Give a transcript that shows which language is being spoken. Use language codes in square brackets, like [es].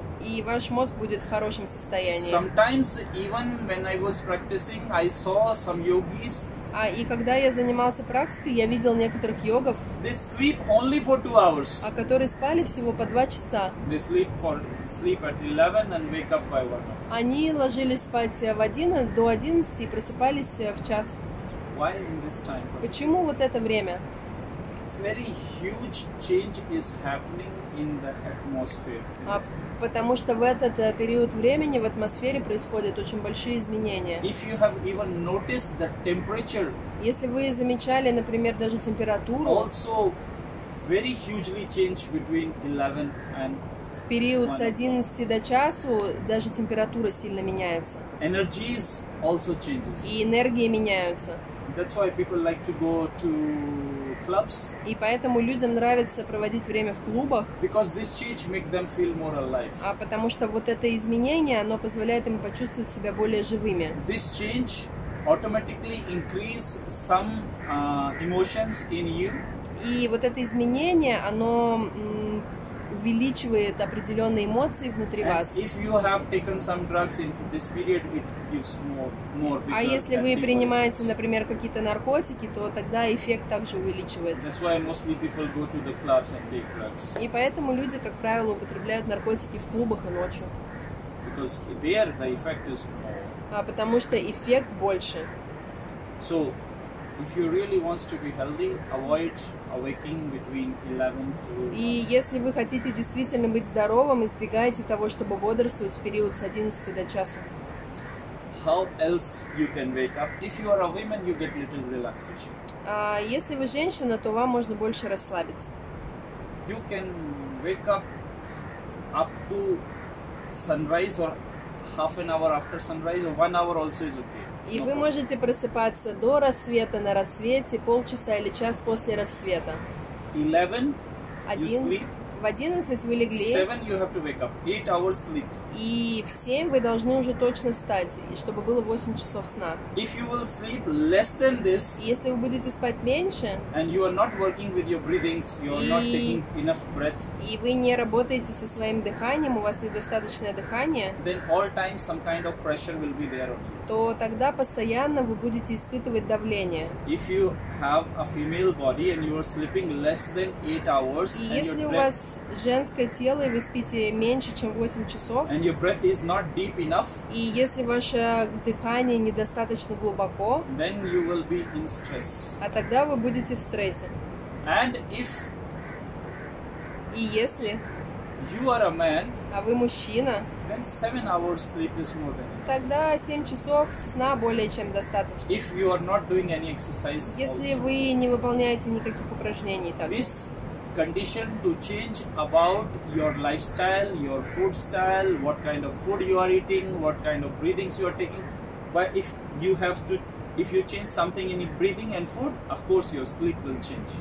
[ru] И ваш мозг будет в хорошем состоянии. [en] Sometimes even when I was practicing, I saw some yogis. [ru] И когда я занимался практикой, я видел некоторых йогов. [en] They sleep only for 2 hours. [ru] А которые спали всего по 2 часа. [en] They sleep at 11 and wake up by 1. [ru] Они ложились спать в 11, до 11 и просыпались в час. [en] Why in this time? [ru] Почему вот это время? [en] Very huge change is happening in the atmosphere. [ru] Потому что в этот период времени в атмосфере происходят очень большие изменения. [en] If you have even noticed the temperature, [ru] если вы замечали, например, даже температуру, [en] also very hugely changed between 11 and [ru] в период с 11 до часу даже температура сильно меняется. [en] Energies also changes. [ru] И энергии меняются. [en] That's why people like to go to clubs. [ru] И поэтому людям нравится проводить время в клубах. [en] Because this change make them feel more alive. [ru] А потому что вот это изменение, оно позволяет им почувствовать себя более живыми. [en] This change automatically increase some emotions in you. [ru] И вот это изменение, оно увеличивает определенные эмоции внутри вас. [en] If you have taken some drugs in this period, it gives more. [ru] А если вы принимаете, например, какие-то наркотики, то тогда эффект также увеличивается. [en] That's why mostly people go to the clubs and take drugs. [ru] И поэтому люди, как правило, употребляют наркотики в клубах и ночью. [en] Because there the effect is more. [ru] А потому что эффект больше. [en] So, if you really want to be healthy, avoid awaking between 11 to 1. [ru] И если вы хотите действительно быть здоровым, избегайте того, чтобы бодрствовать в период с 11 до часу. [en] How else you can wake up? If you are a woman, you get little relaxation. [ru] Если вы женщина, то вам можно больше расслабиться. [en] You can wake up to sunrise or half an hour after sunrise or 1 hour also is okay. [ru] И вы можете просыпаться до рассвета, на рассвете, полчаса или час после рассвета. 11 вы легли. [en] 7 you have to wake up. 8 hours sleep. [ru] И в 7 вы должны уже точно встать, чтобы было 8 часов сна. [en] If you will sleep less than this, [ru] если вы будете спать меньше, [en] and you are not working with your breathings, you are not taking enough breath, [ru] и вы не работаете со своим дыханием, у вас недостаточное дыхание, [en] then all time some kind of pressure will be there on you. [ru] То тогда постоянно вы будете испытывать давление. [en] If you have a female body and you are sleeping less than 8 hours, [ru] и если у вас женское тело и вы спите меньше чем 8 часов, [en] and your breath is not deep enough, [ru] и если ваше дыхание недостаточно глубоко, [en] then you will be in stress. [ru] А тогда вы будете в стрессе. [en] And if [ru] и если [en] you are a man, [ru] а вы мужчина, [en] then 7 hours sleep is more than enough. [ru] Тогда 7 часов сна более чем достаточно. [en] If you are not doing any exercise, [ru] если [en] also [ru] вы не выполняете никаких упражнений, также. [en] This condition to change about your lifestyle, your food style, what kind of food you are eating, what kind of breathings you are taking. But if you change something in your breathing and food, of course your sleep will change.